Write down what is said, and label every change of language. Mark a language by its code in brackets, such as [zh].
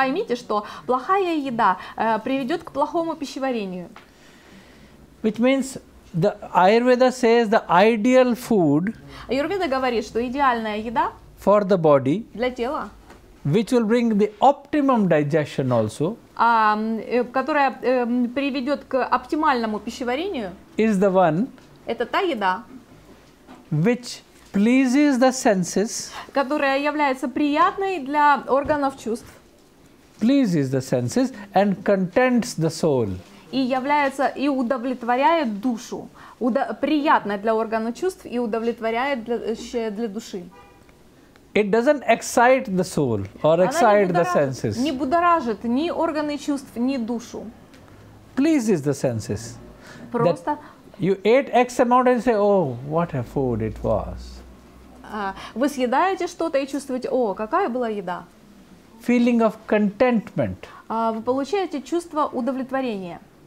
[ru] Поймите, что плохая еда приведет к плохому пищеварению. [en] Which means the Ayurveda says the ideal food. [ru] Аюрведа говорит, что идеальная еда [en] for the body, [ru] для тела, [en] which will bring the optimum digestion also, [ru] которая приведет к оптимальному пищеварению, [en] is the one. [ru] Это та еда, [en] which pleases the senses, [ru] которая является приятной для органов чувств, [en] pleases the senses and contents the soul. [ru] И является и удовлетворяет душу, приятная для органов чувств и удовлетворяет для души. [en] It doesn't excite the soul or excite the senses. [ru] Не будоражит ни органы чувств, ни душу. [en] Pleases the senses. [ru] Просто [en] you ate X amount and say, oh, what a food it was. [ru] Вы съедаете что-то и чувствуете, о, какая была еда. [en] Feeling of contentment. [ru] Вы получаете чувство удовлетворения.